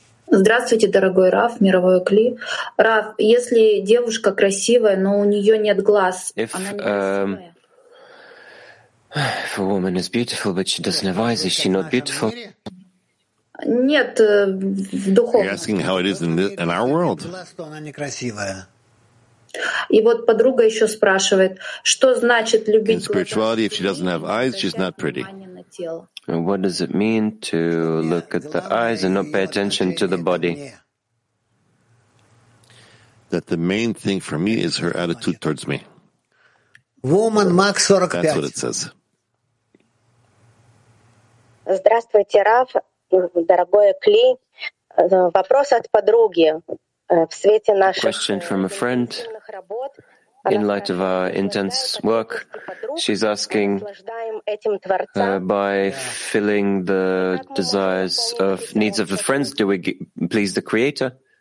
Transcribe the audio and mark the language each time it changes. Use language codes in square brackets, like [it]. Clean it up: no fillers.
[ru] Здравствуйте, дорогой Раф, мировой Кли. Раф, если девушка красивая, но у нее нет глаз, она не красивая. [en] If a woman is beautiful, but she doesn't have eyes, is she not beautiful? [ru] Нет, в духовном. [en] You're asking how it is in our world. [ru] И вот подруга еще спрашивает, что значит любить. [en] In spirituality, if she doesn't have eyes, she's not pretty. And what does it mean to look at the eyes and not pay attention to the body? That the main thing for me is her attitude towards me. Woman Max 45. That's what it says. [ru] Здравствуйте, Раф, дорогое Кли. Вопрос от подруги в свете наших. [en] Question from a friend. In light of our intense work, she's asking, by filling the desires of needs of the friends, do we please the Creator?